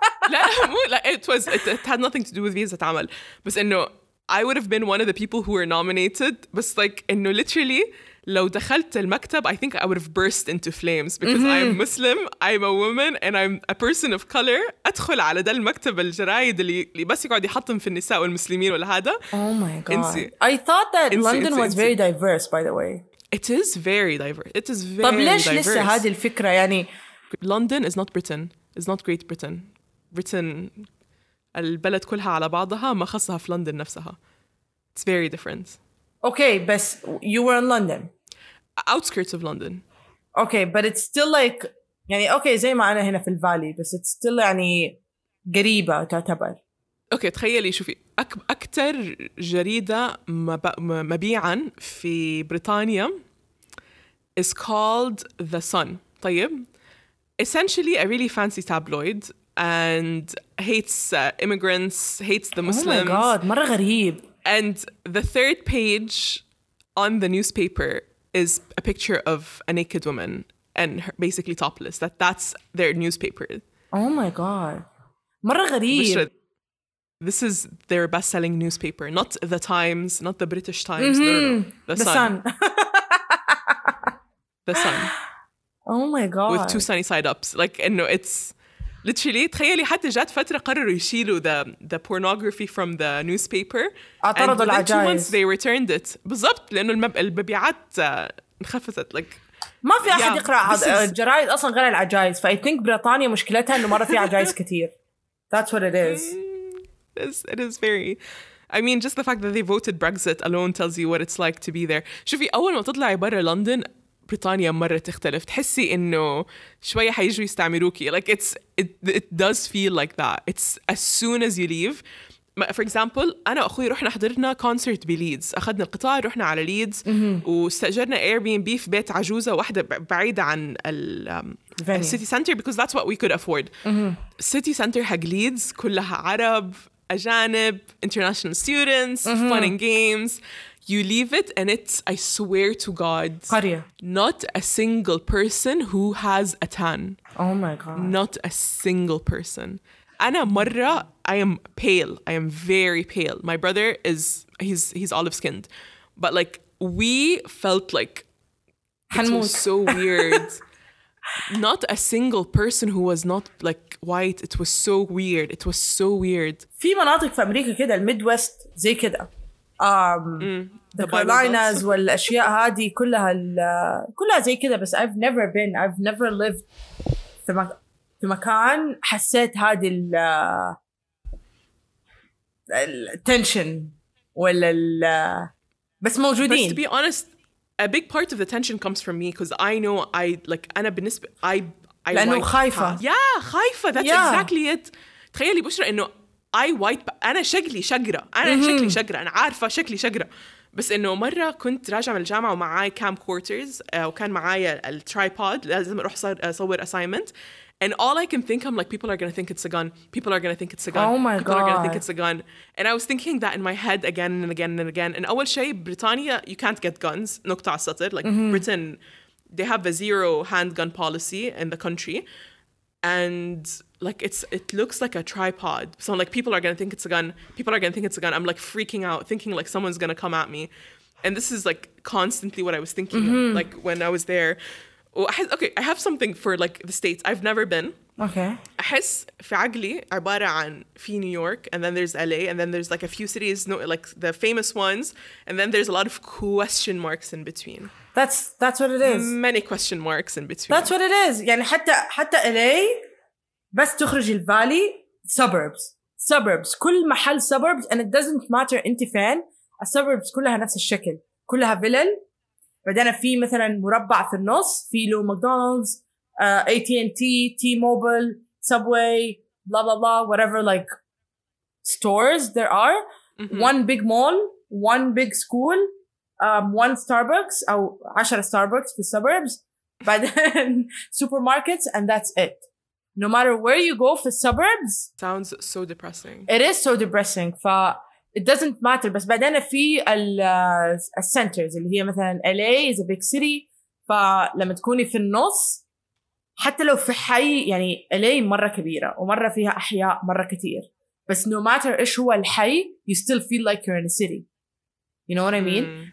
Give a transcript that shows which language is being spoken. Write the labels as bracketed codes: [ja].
[en] لا, it had nothing to do with [ar] فيزا عمل. [en] But I would have been one of the people who were nominated. But like, literally, [ar] لو دخلت المكتب [en] I think I would have burst into flames because I am Muslim, I'm a woman and I'm a person of color. [ar] أدخل على ده المكتب الجرايد اللي بس يقعد يحطم في النساء والمسلمين ولا هذا. [en] Oh my God. انسي. I thought that انسي, London انسي, was انسي. Very diverse by the way. It is very diverse. It is very [ar] طب ليش [en] diverse. [ar] لسه هذه الفكرة يعني [en] London is not Britain. It's not Great Britain. [ar] Britain البلد كلها على بعضها ما خصها في لندن نفسها. [en] It's very different. Okay, but you were in London. Outskirts of London. Okay, but it's still like, [ar] يعني okay, زي ما أنا هنا في الفالي, بس [en] it's still [ar] يعني قريبة تعتبر. Okay, تخيلي شوفي, أكتر جريدة مبيعاً في بريطانيا [en] is called The Sun. طيب, essentially a really fancy tabloid and hates immigrants, hates the Muslims. Oh my God, [ar] مرة غريب. [en] And the third page on the newspaper is a picture of a naked woman and her basically topless. That's their newspaper. Oh my God. [ar] مرة غريب. [en] This is their best-selling newspaper. Not the Times, not the British Times. Mm-hmm. No, no, no. The Sun. The Sun. The Sun. Oh my God. With two sunny side ups. Like, you know, it's... Literally, [ar] تخيلي حتى جات فترة قرروا يشيلوا [en] the pornography from the newspaper. [ar] اعترضوا العجائز. [en] And then 2 months they returned it. [ar] بالضبط لأنه المبيعات انخفضت. [en] Like, [ar] ما في أحد يقرأ الجرائد أصلا غير العجائز. فأي think بريطانيا مشكلتها أنه مرة في عجائز كتير. [en] That's what it is. It is very... I mean, just the fact that they voted Brexit alone tells you what it's like to be there. [ar] شوفي أول ما تطلعي برا لندن بريطانيا مرة تختلف. تحسي إنه شوية حيجوا يستعمروكي. [en] Like it does feel like that. It's as soon as you leave. For example, [ar] أنا وأخوي رحنا حضرنا كونسرت بليدز. أخذنا القطار رحنا على ليدز واستأجرنا Airbnb في بيت عجوزة واحدة بعيدة عن السيتي [en] Center because that's what we could afford. City center [ar] حق ليدز كلها عرب أجانب [en] international students fun and games. You leave it and it's, I swear to God, [ar] قرية. [en] Not a single person who has a tan. Oh my God. Not a single person. [ar] أنا مرة, [en] I am pale. I am very pale. My brother is, he's olive skinned. But like, we felt like, it was so weird. Not a single person who was not like white. It was so weird. It was so weird. [ar] في مناطق في أمريكا كده, الميدوست زي كده. The Carolinas والأشياء هذه كلها زي كده بس [en] I've never lived [ar] في مكان حسيت هذه التنشن ولا بس موجودين. [en] But to be honest, a big part of the tension comes from me because I know I like [ar] أنا بالنسبة [en] I [ar] لأنه خايفة. [en] Yeah, خايفة. That's exactly it. [ar] تخيلي بشرة إنه I white أنا شكلي شقرة أنا شكلي شقرة أنا عارفة شكلي شقرة بس إنه مرة كنت راجع من الجامعة ومعاي كام كورترز وكان معايا الترايبود لازم أروح صور assignment [en] And all I can think, I'm like, people are going to think it's a gun. People are going to think it's a gun. Oh my people God. Are going to think it's a gun. And I was thinking that in my head again and again and again. And [ar] أول شيء, [en] Britannia, you can't get guns. [ar] نقطة على السطر. [en] Like, mm-hmm. Britain, they have a zero handgun policy in the country. And like, it looks like a tripod. So like, people are going to think it's a gun. People are going to think it's a gun. I'm like freaking out, thinking like someone's going to come at me. And this is like constantly what I was thinking, mm-hmm. like when I was there. Okay, I have something for like the States. I've never been. Okay. I guess [ar] في عقلي عبارة عن في [en] New York, and then there's LA, and then there's like a few cities, like the famous ones, and then there's a lot of question marks in between. That's what it is. Many question marks in between. That's what it is. [ar] يعني حتى LA, بس تخرج الفالي, suburbs. كل محل suburbs, [en] and it doesn't matter [ar] انت فين, suburbs كلها نفس الشكل. كلها فيلل. بعدين في مثلا مربع في النص في له ماكدونالدز AT&T تي موبايل سبواي بلا بلا بلا [en] whatever like stores there are [ar] mm-hmm. [en] one big mall one big school one starbucks او 10 starbucks في suburbs بعدين supermarkets and that's it no matter where you go for suburbs sounds so depressing it is so depressing ف It doesn't matter, but then if the centers, اللي هي مثلاً LA is a big city, [ar] فلما تكوني في النص حتى لو في حي يعني LA مرة كبيرة ومرة فيها أحياء مرة كتير, [en] بس no matter إيش هو الحي, you still feel like you're in a city. You know what I mean? Mm.